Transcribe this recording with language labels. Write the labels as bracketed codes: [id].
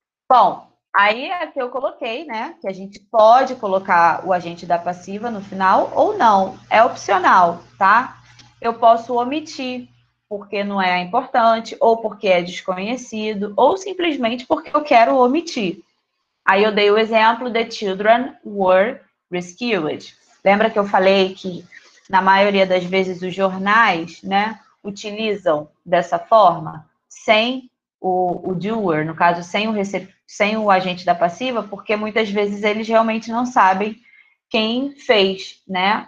[pt] Bom, aí é que eu coloquei, né? Que a gente pode colocar o agente da passiva no final ou não. É opcional, tá? Eu posso omitir porque não é importante, ou porque é desconhecido, ou simplesmente porque eu quero omitir. Aí eu dei o exemplo, [en] the children were rescued. [pt] Lembra que eu falei que, na maioria das vezes, os jornais, né, utilizam dessa forma, sem o doer, no caso, sem o agente da passiva, porque muitas vezes eles realmente não sabem quem fez, né?